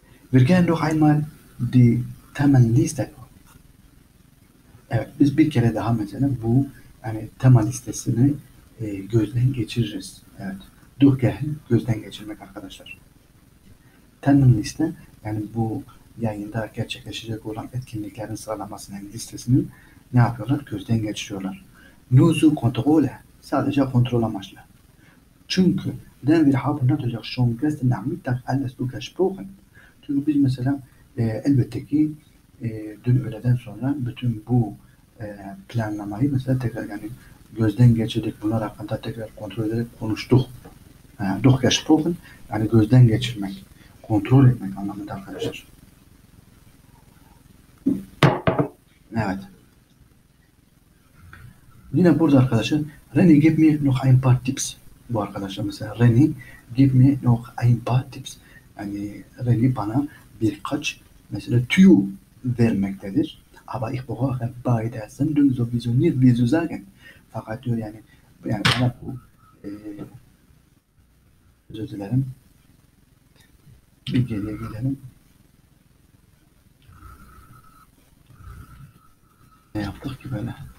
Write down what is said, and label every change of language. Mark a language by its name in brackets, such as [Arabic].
[German] Wir gehen noch einmal die Themenliste. [Turkish] Evet biz bir kere daha mesela bu yani tema listesini gözden geçiririz. Evet. Durchgehen gözden geçirmek arkadaşlar. Themenliste yani bu yayında gerçekleşecek olan etkinliklerin sıralamasının listesini ne yapıyorlar? Gözden geçiriyorlar. [German] Nur zu kontrole. [Turkish] Sadece kontrol amaçlı. [German] Çünkü denn wir haben natürlich schon gestern Nachmittag alles durchgesprochen. [Turkish] Çünkü biz mesela elbette ki dün öğleden sonra bütün bu planlamayı mesela tekrar yani gözden geçirdik. Bunlar hakkında tekrar kontrol ederek konuştuk. Durchgesprochen yani gözden geçirmek. Kontrol etmek anlamında arkadaşlar. Evet. Yine burada arkadaşlar. [German] René, gib mir noch ein paar Tipps. [Turkish] bu arkadaşa mesela, [German] René, gib mir noch ein paar tips. [Turkish] Yani René bana birkaç mesela tüyü vermektedir. [German] Aber ich brauche bei der Sendung sowieso nicht wie zu sagen. [Turkish] Fakat diyor yani, yani bana bu, özür dilerim. Bir geriye gidelim. Ne yaptık ki böyle?